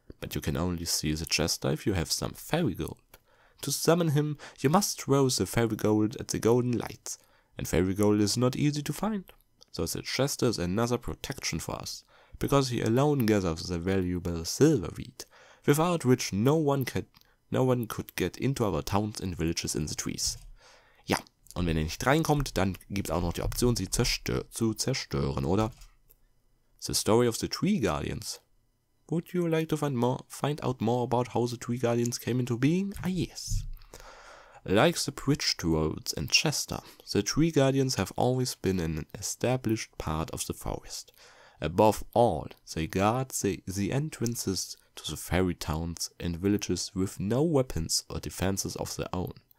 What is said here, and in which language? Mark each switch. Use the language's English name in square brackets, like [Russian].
[English] But you can only see the chester if you have some fairy gold. To summon him, you must throw the fairy gold at the golden lights, and fairy gold is not easy to find. So the chester is another protection for us, because he alone gathers the valuable silver wheat, without which no one can No one could get into our towns and villages in the trees. [German] Ja, und wenn ihr nicht reinkommt, dann gibt's auch noch die Option, sie zu zerstören, oder? [English] The story of the Tree Guardians. Would you like to find out more about how the Tree Guardians came into being? Ah, yes. Like the Bridgetroads and Chester, the Tree Guardians have always been an established part of the forest. Above all, they guard the entrances to the fairy towns and villages with no weapons or defenses of their own.